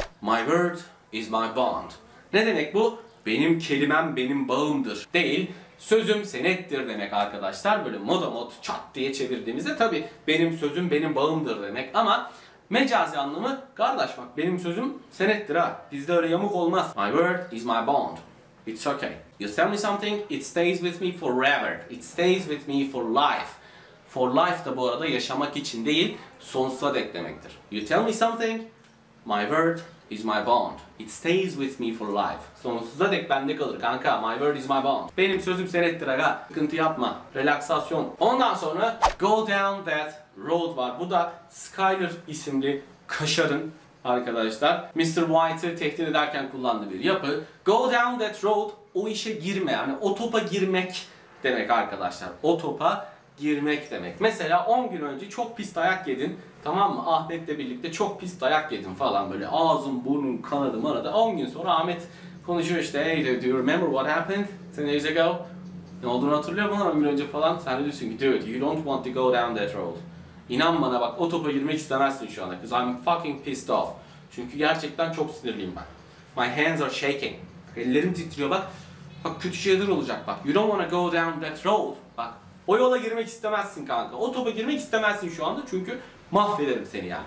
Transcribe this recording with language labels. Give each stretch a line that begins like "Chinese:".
English: My word is my bond.
Turkish: Ne demek bu? Benim kelimem benim bağımdır. Değil, sözüm senettir demek arkadaşlar. Böyle moda mod çat diye çevirdiğimizde tabii benim sözüm benim bağımdır demek. Ama mecazi anlamı kardeş bak benim sözüm senettir ha. Bizde öyle yamuk olmaz.
English: My word is my bond. It's okay. You tell me something, it stays with me forever. It stays with me for life.
Turkish: For life da bu arada yaşamak için değil, sonsuza dek demektir.
English: You tell me something, my word is my bond. It stays with me for life.
Turkish: Sonsuza dek bende kalır kanka.
English: My word is my bond.
Turkish: Benim sözüm senettir aga. Sıkıntı yapma. Relaksasyon. Ondan sonra
English: go down that road
Turkish: var. Bu da Skyler isimli kaşarın arkadaşlar. Mr. White'ı tehdit ederken kullandığı bir yapı.
English: Go down that road.
Turkish: O işe girme. Yani o topa girmek demek arkadaşlar. O topa girmek demek. Mesela 10 gün önce çok pis dayak yedin. Tamam mı? Ahmet'le birlikte çok pis dayak yedin falan böyle. Ağzım, burnum, kanadım arada. 10 gün sonra Ahmet konuşuyor işte.
English: Hey, do you remember what happened 10 days ago?
Turkish: Ne olduğunu hatırlıyor musun 10 gün önce falan? Sen de diyorsun ki,
English: dude, you don't want to go down that road.
Turkish: İnan bana bak, o topa girmek istemezsin şu anda.
English: Because I'm fucking pissed off.
Turkish: Çünkü gerçekten çok sinirliyim ben.
English: My hands are shaking.
Turkish: Ellerim titriyor bak. Bak kötü şeyler olacak bak.
English: You don't wanna go down that road.
Turkish: Bak o yola girmek istemezsin kanka. O topa girmek istemezsin şu anda çünkü mahvederim seni yani.